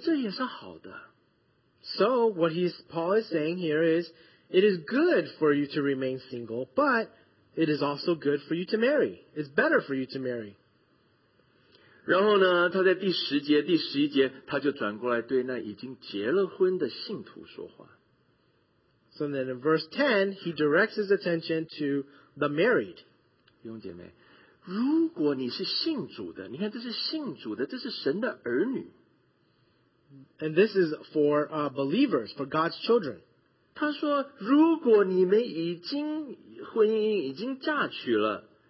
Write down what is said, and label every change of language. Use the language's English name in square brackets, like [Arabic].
[Chinese] 可是他说，你看你独身也好，可是如果你有这个需要，你就去结婚，这也是好的。So [English] what Paul is saying here is, it is good for you to remain single, but it is also good for you to marry. It's better for you to marry. [Chinese] 然后呢，他在第十节、第十一节，他就转过来对那已经结了婚的信徒说话。So [English] then in verse 10, he directs his attention to the married. [Chinese] 弟兄姐妹，如果你是信主的，你看这是信主的，这是神的儿女。And [English] this is for believers, for God's children. [Chinese] 他说，如果你们已经婚姻已经嫁娶了。